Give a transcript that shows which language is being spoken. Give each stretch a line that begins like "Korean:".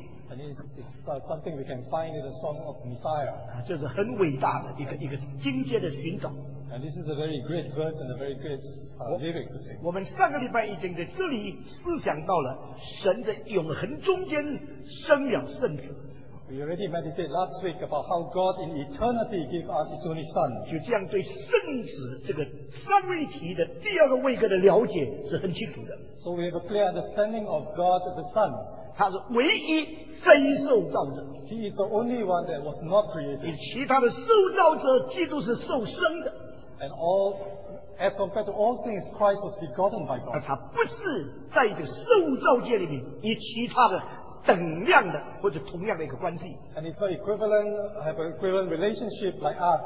English: And it's something we can find in the song of Messiah.
Chinese: 这是很伟大的一个境界的寻找。
English: And this is a very great verse and a very great lyrics to sing.
Chinese: 我们上个礼拜已经在这里思想到了神在永恒中间生了圣子。
English: We already meditated last week about how God in eternity gave us His only Son.
Chinese: 就这样对圣子这个三位一体的第二个位格的了解是很清楚的。
English: So we have a clear understanding of God the Son.
Chinese: 他是唯一非受造者。
English: He is the only one that was not created.
Chinese: 与其他的受造者，基督是受生的。
English: And all, as compared to all things, Christ was begotten by God.
Chinese: 而他不是在这个受造界里面与其他的。等量的或者同样的一个关系,
English: and it's not equivalent, have an equivalent relationship like us.